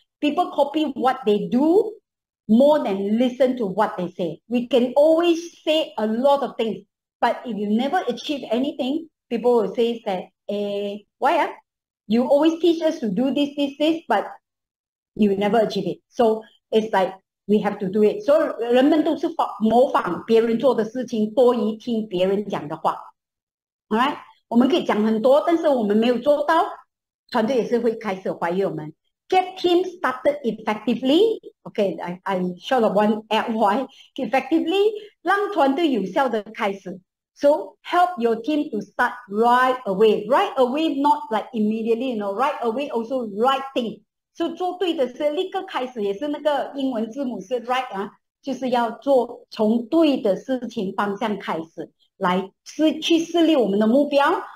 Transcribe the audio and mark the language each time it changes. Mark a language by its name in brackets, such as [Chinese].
[English] People copy what they do more than listen to what they say. We can always say a lot of things, but if you never achieve anything, people will say that, why? You always teach us to do this, but you never achieve it. So it's like we have to do it. [Chinese] So 人们都是模仿别人做的事情，多于听别人讲的话. [English] All right, [Chinese] 我们可以讲很多，但是我们没有做到。团队也是会开始怀疑我们. [English] Get team started effectively. Okay, I short of one LY. [Chinese] Effectively, 让团队有效的开始. [English] So help your team to start right away. Right away, not like immediately, you know. Right away, also right thing. [Chinese] So 做对的事立刻开始，也是那个英文字母是 right 啊，就是要做从对的事情方向开始，来去设立我们的目标.